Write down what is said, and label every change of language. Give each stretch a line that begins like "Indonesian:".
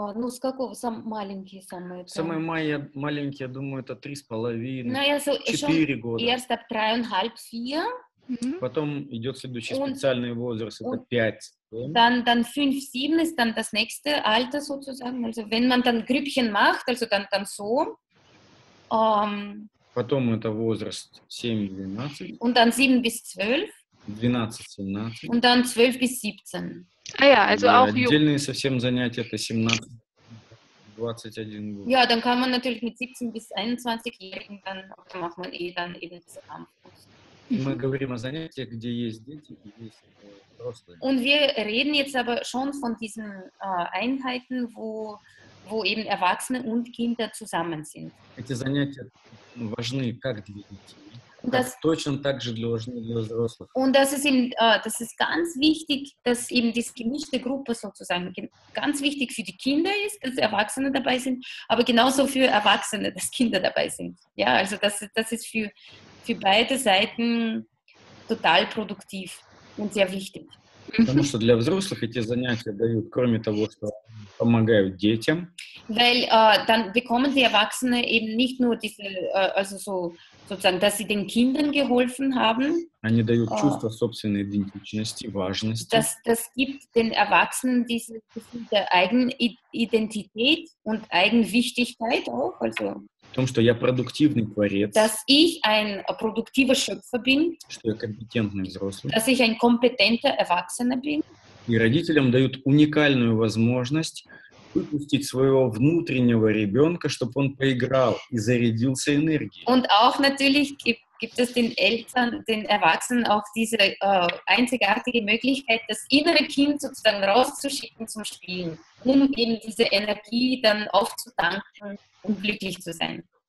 Russian: С какого маленький самый? Самый маленький, я думаю, это 3,5-4 года.
German: Erst 3,5, 4.
Russian: Потом идет следующий специальный возраст, это 5.
German: Dann 5-7 ist dann das nächste Alter sozusagen. Also wenn man dann Grüppchen macht, also dann so.
Russian: Потом это возраст 7-12.
German: Und dann 7-12.
Russian: 12-17.
German: Und dann 12-17. Ah ja, also ja, auch
Russian: отдельные совсем занятия это 17-21 год.
German: Ja, dann kann man natürlich mit 17-21-Jährigen dann macht man dann eben zusammen.
Russian: Мы говорим о занятиях, где есть дети и есть взрослые.
German: Und wir reden jetzt aber schon von diesen Einheiten, wo eben Erwachsene und Kinder zusammen sind.
Russian: Эти занятия важны как для детей. Das, точно так же для взрослых.
German: Und das ist ganz wichtig, dass eben diese gemischte Gruppe sozusagen ganz wichtig für die Kinder ist, dass Erwachsene dabei sind, aber genauso für Erwachsene, dass Kinder dabei sind. Ja, also das ist für beide Seiten total produktiv und sehr wichtig.
Russian: Потому что для взрослых эти занятия дают, кроме того, что помогают детям.
German: Weil dann bekommen die Erwachsenen eben nicht nur diese, also so sozusagen, dass sie den Kindern geholfen haben.
Russian: Они дают чувство собственной идентичности, важности.
German: Das gibt den Erwachsenen diese Gefühl der Eigenidentität und Eigenwichtigkeit auch, also.
Russian: В том, что я продуктивный творец.
German: Dass ich ein produktiver Schöpfer bin.
Russian: Что я компетентный взрослый.
German: Dass ich ein kompetenter Erwachsener bin.
Russian: И родителям дают уникальную возможность выпустить своего внутреннего ребенка, чтобы он поиграл и зарядился энергией.
German: Und auch natürlich gibt es den Eltern, den Erwachsenen auch diese einzigartige Möglichkeit, das innere Kind sozusagen rauszuschicken zum Spielen, um eben diese Energie dann aufzutanken und glücklich zu sein.